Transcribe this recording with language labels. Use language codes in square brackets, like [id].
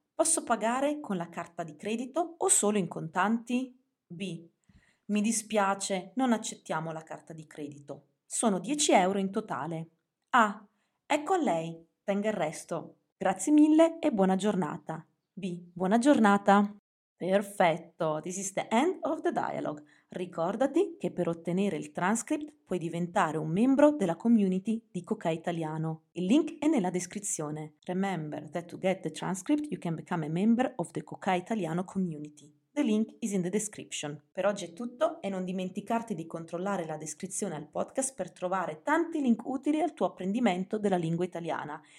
[it] Posso pagare con la carta di credito o solo in contanti? B. Mi dispiace, non accettiamo la carta di credito. Sono 10 euro in totale. A. Ecco a lei, tenga il resto. Grazie mille e buona giornata. B. Buona giornata. Perfetto, [en] this is the end of the dialogue. [it] Ricordati che per ottenere il transcript puoi diventare un membro della community di Cocai Italiano. Il link è nella descrizione. [en] Remember that to get the transcript you can become a member of the Cocai Italiano community. The link is in the description. [it] Per oggi è tutto e non dimenticarti di controllare la descrizione al podcast per trovare tanti link utili al tuo apprendimento della lingua italiana.